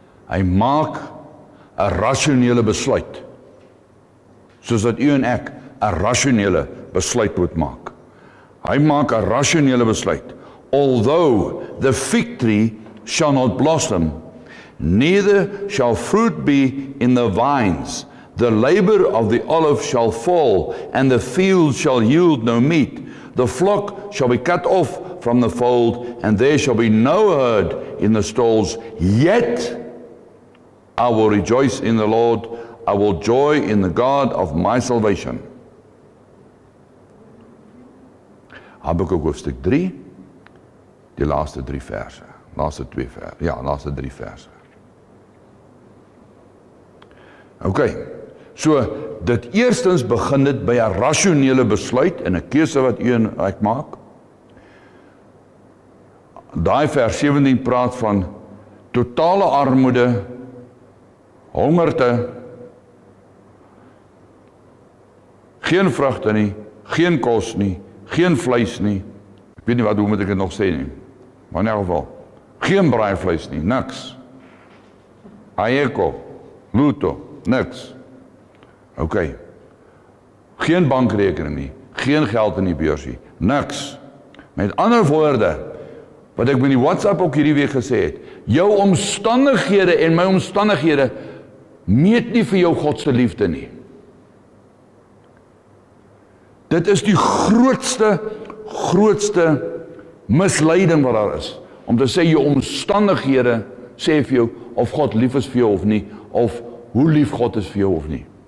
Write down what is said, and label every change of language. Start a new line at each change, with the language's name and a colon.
Afrikaans: Hy maak 'n rasionele besluit. Soos wat u en ek 'n rasionele besluit moet maak. Hy maak 'n rasionele besluit.
English: Although the fig tree shall not blossom, neither shall fruit be in the vines, the labor of the olive shall fall, and the fields shall yield no meat. The flock shall be cut off from the fold, and there shall be no herd in the stalls. Yet I will rejoice in the Lord. I will joy in the God of my salvation.
Afrikaans: Habakkuk hoofstuk 3, die laaste drie verse. Laaste drie verse. Okay. So, dit eerstens begin dit by 'n rasionele besluit en 'n keuse wat u en ek maak. Daai vers 17 praat van totale armoede, hongerte, geen vrugte nie, geen kos nie, geen vleis nie. Ek weet nie wat, hoe moet ek dit nog sê nie. Maar in elk geval, geen braaivleis nie, niks. Aieko, luto, niks. Ok, geen bankrekening nie, geen geld in die beursie, niks. Met ander woorde, wat ek met die WhatsApp ook hierdie week gesê het, jou omstandighede en my omstandighede meet nie vir jou Godse liefde nie. Dit is die grootste misleiding wat daar is, om te sê jou omstandighede sê vir jou of God lief is vir jou of nie, of hoe lief God is vir jou of nie.